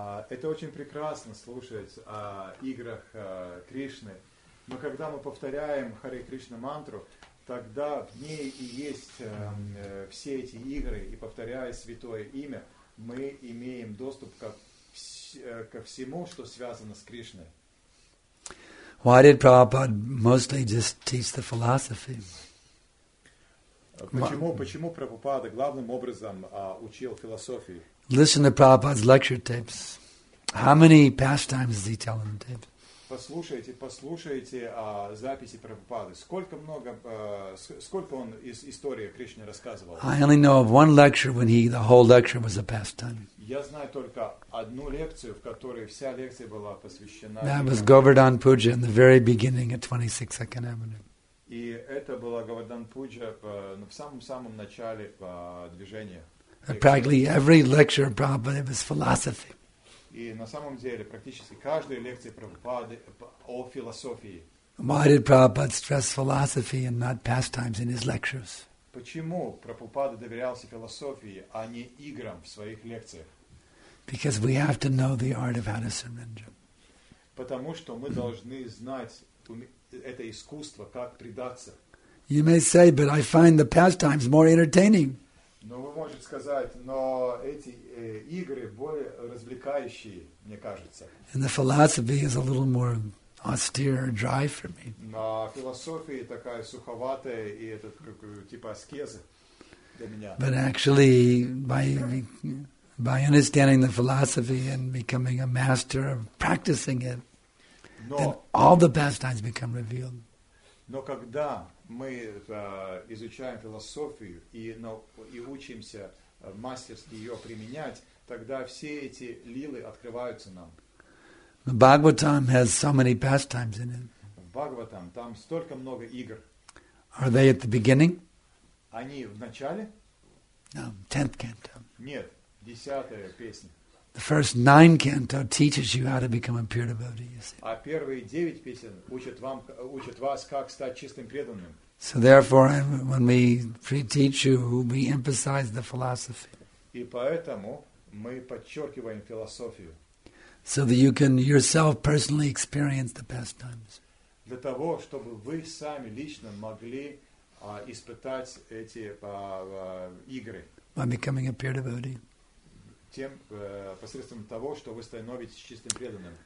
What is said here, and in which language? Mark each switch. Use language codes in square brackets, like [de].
[ru] Это очень прекрасно слушать о играх Кришны. Но когда мы повторяем Харе Кришна мантру, тогда в ней и есть все эти игры, и повторяя святое имя, мы имеем доступ ко всему, что связано с Кришной. [en] Why did Prabhupada mostly just teach the philosophy? [ru] Почему Прабхупада главным образом учил философию? [en] Listen to Prabhupada's lecture tapes. How many pastimes does he tell in the tape? [ru] Послушайте записи Прабхупады. Сколько он из истории Кришны рассказывал? [en] I only know of one lecture when the whole lecture was a pastime. [ru] Я знаю только одну лекцию, в которой вся лекция была посвящена. [en] That was Govardhan Puja in the very beginning at 26 Second Avenue. [ru] И это была Govardhan Puja в самом-самом начале движения. [en] And practically every lecture of Prabhupada was philosophy. [ru] И на самом деле практически каждая лекция Прабхупады о философии. [en] Why did Prabhupada stress philosophy and not pastimes in his lectures? [ru] Почему Прабхупада доверялся философии, а не играм в своих лекциях? [en] Because we have to know the art of how to surrender. [ru] Потому что мы должны знать это искусство, как предаться. [en] You may say, but I find the pastimes more entertaining. [ru] Но вы можете сказать, но эти игры более развлекающие, мне кажется. [en] And the philosophy is a little more austere, dry for me. [ru] Но философия такая суховатая и этот типа аскезы для меня. [en] But actually, by understanding the philosophy and becoming a master of practicing it, then all the pastimes become revealed. [ru] Но когда мы изучаем философию и учимся мастерски ее применять, тогда все эти лилы открываются нам. [en] Bhagavatam has so many pastimes in it. [ru] Bhagavatam, там столько много игр. [en] Are they at the beginning? [ru] Они в начале? [en] No, 10th canto. [ru] Нет, 10-я песня. [en] The first 9 canto teaches you how to become a pure devotee, you see. [ru] А первые 9 песен учат вас, как стать чистым преданным. [en] So therefore, when we teach you, we emphasize the philosophy. [ru] И поэтому мы подчеркиваем философию. [en] So that you can yourself personally experience the pastimes. [ru] Для того, чтобы вы сами лично могли испытать эти игры. [en] By becoming a pure devotee. [ru] Тем посредством того, что вы становитесь чистым преданным.